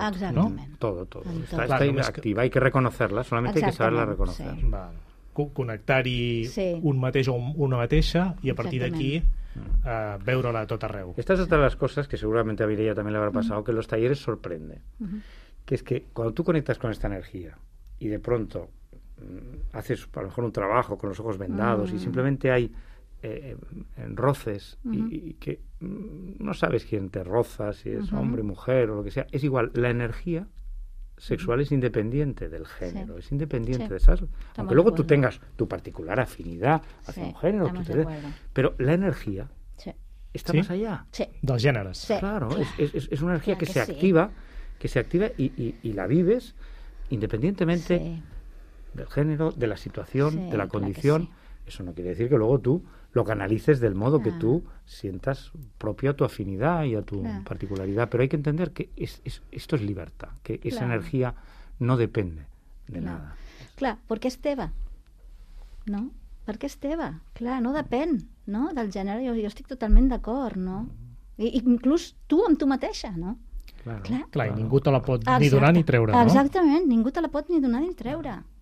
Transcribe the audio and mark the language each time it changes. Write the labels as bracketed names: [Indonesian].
[Catalan] Està inactiva, [Spanish] hay que reconocerla, solamente hay que saberla reconocer. [Catalan] Connectar-hi un mateix o una mateixa i a partir d'aquí veure-la a tot arreu. Esta és otra de les coses que seguramente a Mireia també li haurà passat, [Spanish] que los talleres sorprende. [Catalan] Que és que quan tu connectes [Spanish] con esta energia i de pronto haces a lo mejor un trabajo con los ojos vendados y simplemente hay roces y que no sabes quién te roza, si es hombre, mujer o lo que sea, es igual, la energía sexual es independiente del género, es independiente de esas, aunque luego tú tengas tu particular afinidad hacia un género, pero la energía está más allá del género. Claro, es una energía que se activa, que se activa y la vives independientemente del género, de la situación, de la condición. Eso no quiere decir que luego tú lo canalices del modo que tú sientas propio a tu afinidad y a tu particularidad. Pero hay que entender que esto es libertad, que esa energía no depende de nada. [Catalan] Clar, perquè és teva, no? Perquè és teva, clar, no depèn, no?, del gènere. Jo estic totalment d'acord, no? I inclús tu amb tu mateixa, no? Clar, i ningú te la pot ni donar ni treure, no? Exactament, ningú te la pot ni donar ni treure,